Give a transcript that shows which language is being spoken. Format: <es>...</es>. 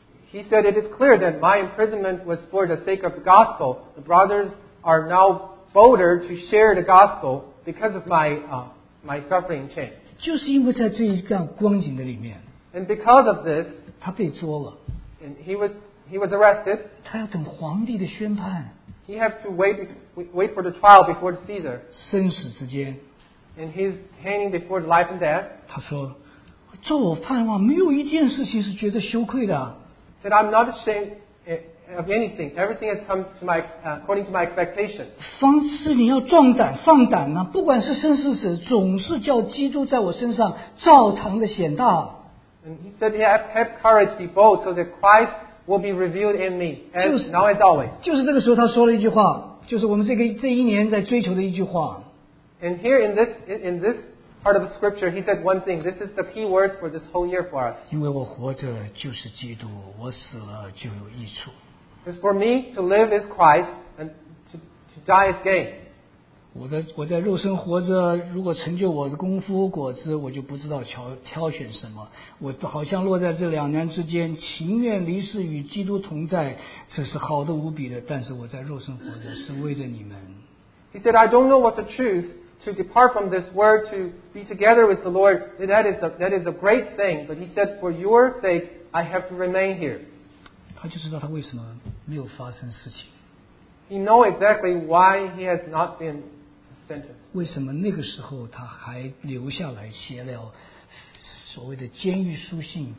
<en>He said it is clear that my imprisonment was for the sake of the gospel. The brothers are now bolder to share the gospel because of my suffering chain.</en> <zh>就是因为在这一个光景的里面。</zh> <en>And because of this,</en> <zh>他被捉了。</zh> <en>And he was arrested.</en> <zh>他要等皇帝的宣判。</zh> <en>He had to wait for the trial before the Caesar.</en> <zh>生死之间。</zh> <en>And he's hanging before life and death.</en> <zh>他说，照我盼望，没有一件事情是觉得羞愧的。</zh> <en>Said I'm not ashamed of anything. Everything has come to my according to my expectation.</en> <zh>方是你要壮胆放胆呢、啊，不管是生是死，总是叫基督在我身上照常的显大。</zh> <en>And he said, "Yeah, have courage, be bold, so that Christ." Will be revealed in me, and now as always.</en> <zh>就是这个时候，他说了一句话，就是我们这一年在追求的一句话。</zh> <en>And here in this part of the scripture, he said one thing. This is the key word for this whole year for us.</en> <zh>因为我活着就是基督，我死了就有益处。</zh> <en>It's for me to live is Christ, and to die is gain.</en> <zh>我在肉身活着，如果成就我的功夫果子，我就不知道挑选什么。我好像落在这两难之间，情愿离世与基督同在，这是好的无比的。但是我在肉身活着，是为着你们。</zh> <en>He said, "I don't know what the truth to depart from this world to be together with the Lord. That is a great thing." But he said, "For your sake, I have to remain here."</en> <zh>他就知道他为什么没有发生事情。</zh> <en>He knows exactly why he has not been sentenced.</en> <zh>为什么那个时候他还留下来写了所谓的监狱书信？</zh>